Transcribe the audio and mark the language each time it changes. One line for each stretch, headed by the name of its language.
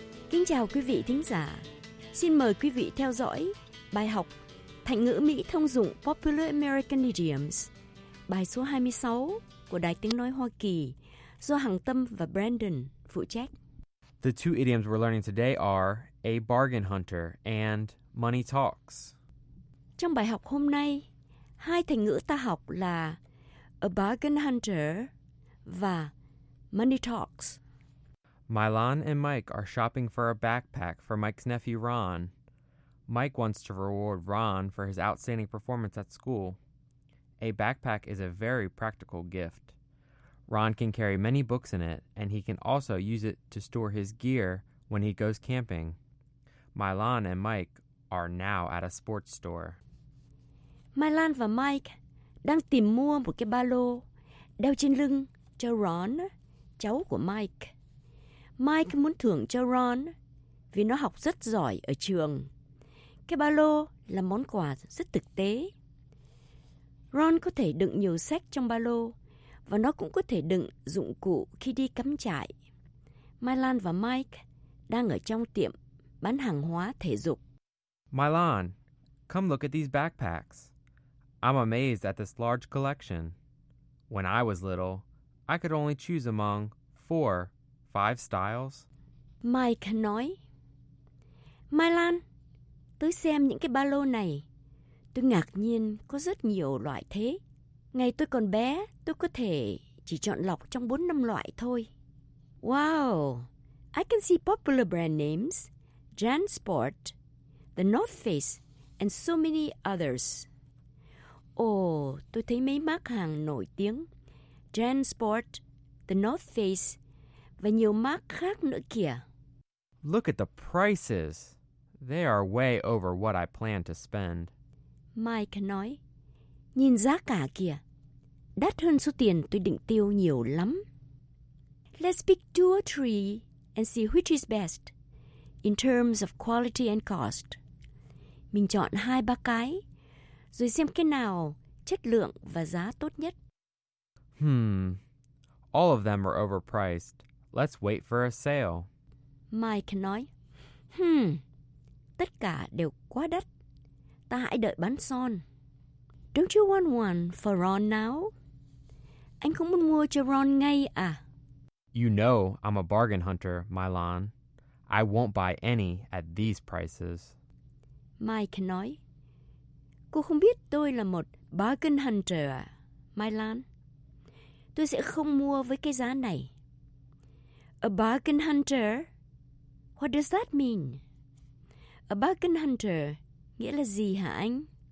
Vietnamese: Kính chào quý vị thính giả. Xin mời quý vị theo dõi bài học thành ngữ Mỹ thông dụng Popular American Idioms, bài số 26 của Đài Tiếng Nói Hoa Kỳ, do Hằng Tâm và Brandon phụ trách.
English: The two idioms we're learning today are a bargain hunter and money talks.
Vietnamese: Trong bài học hôm nay, hai thành ngữ ta học là
English: a bargain hunter
Vietnamese: và
English: money talks. Milan and Mike are shopping for a backpack for Mike's nephew Ron. Mike wants to reward Ron for his outstanding performance at school. A backpack is a very practical gift. Ron can carry many books in it, and he can also use it to store his gear when he goes camping. Milan and Mike are now at a sports store.
Vietnamese: Milan và Mike đang tìm mua một cái ba lô đeo trên lưng cho Ron, cháu của Mike. Mike muốn thưởng cho Ron vì nó học rất giỏi ở trường. Cái ba lô là món quà rất thực tế. Ron có thể đựng nhiều sách trong ba lô và nó cũng có thể đựng dụng cụ khi đi cắm trại. Milan và Mike đang ở trong tiệm bán hàng hóa thể dục.
English: Milan, come look at these backpacks. I'm amazed at this large collection. When I was little, I could only choose among 4-5 styles.
Vietnamese: Mike nói, Milan, tôi xem những cái ba lô này. Tôi ngạc nhiên có rất nhiều loại thế. Ngày tôi còn bé, tôi có thể chỉ chọn lọc trong 4-5 loại thôi. Wow!
English: I can see popular brand names, JanSport, The North Face, and so many others.
Vietnamese: Tôi thấy mấy mác hàng nổi tiếng, JanSport, The North Face, và nhiều mác khác nữa kìa.
English: Look at the prices. They are way over what I plan to spend.
Vietnamese: Mike nói, nhìn giá cả kìa, đắt hơn số tiền tôi định tiêu nhiều lắm.
English: Let's pick two or three and see which is best in terms of quality and cost.
Vietnamese: Mình chọn hai ba cái, rồi xem cái nào chất lượng và giá tốt nhất.
English: All of them are overpriced. Let's wait for a sale.
Vietnamese: Mike nói, tất cả đều quá đắt. Ta hãy đợi bán son.
English: Don't you want one for Ron now?
Vietnamese: Anh không muốn mua cho Ron ngay à?
English: You know I'm a bargain hunter, Mylon. I won't buy any at these prices.
Vietnamese: Mike nói, cô không biết tôi là một
English: bargain hunter
Vietnamese: à, Mylon? Tôi sẽ không mua với cái giá này.
English: A bargain hunter? What does that mean? A bargain hunter
Vietnamese: nghĩa là gì hả anh?